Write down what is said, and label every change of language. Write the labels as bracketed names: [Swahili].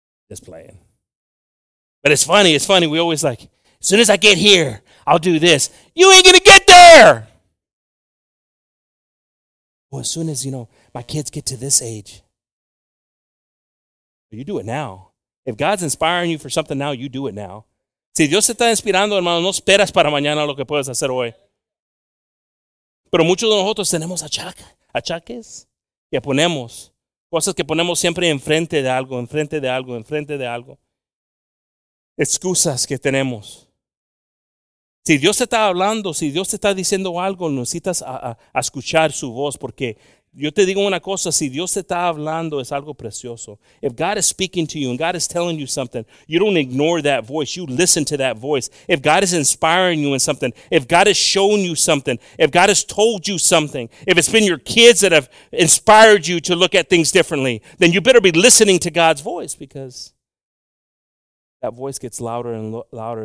[English] Just playing. But it's funny. We always like, as soon as I get here, I'll do this. You ain't going to get there. Well, as soon as, you know, my kids get to this age, you do it now. If God's inspiring you for something now, you do it now. [Spanish] Si Dios te está inspirando, hermano, no esperas para mañana lo que puedes hacer hoy. Pero muchos de nosotros tenemos achaques que ponemos. Cosas que ponemos siempre enfrente de algo. Excusas que tenemos. Si Dios te está hablando, si Dios te está diciendo algo, necesitas a escuchar su voz porque yo te digo una cosa, si Dios te está hablando, es algo precioso. [English] If God is speaking to you and God is telling you something, you don't ignore that voice. You listen to that voice. If God is inspiring you in something, if God has shown you something, if God has told you something, if it's been your kids that have inspired you to look at things differently, then you better be listening to God's voice because that voice gets louder and louder.